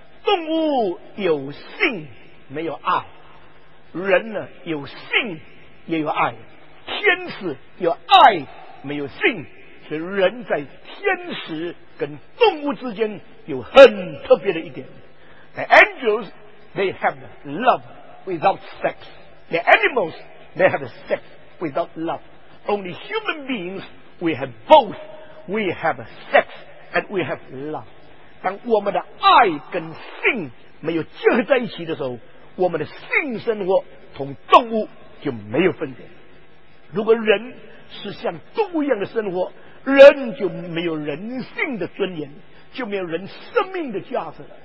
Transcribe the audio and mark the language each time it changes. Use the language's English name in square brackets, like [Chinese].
[Chinese] 动物有性没有爱，人呢有性也有爱，天使有爱没有性，所以人在天使跟动物之间有很特别的一点。 [English] The angels they have love without sex, the animals they have sex without loveOnly human beings, we have both. We have sex and we have love. [Chinese] 当我们的爱跟性没有结合在一起的时候，我们的性生活同动物就没有分别。如果人是像动物一样的生活，人就没有人性的尊严，就没有人生命的价值。